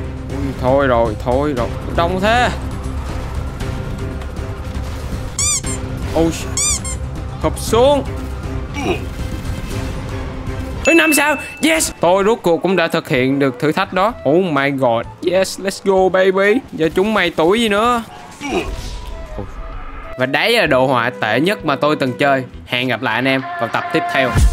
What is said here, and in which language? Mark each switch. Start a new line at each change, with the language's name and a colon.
Vietnamese: Ui, thôi rồi, thôi rồi. Đông thế. Ôi, hụp xuống. Ôi, 5 sao. Yes, tôi rốt cuộc cũng đã thực hiện được thử thách đó.
English: Oh my god, yes, let's go baby.
Vietnamese: Giờ chúng mày tuổi gì nữa. Và đấy là đồ họa tệ nhất mà tôi từng chơi. Hẹn gặp lại anh em vào tập tiếp theo.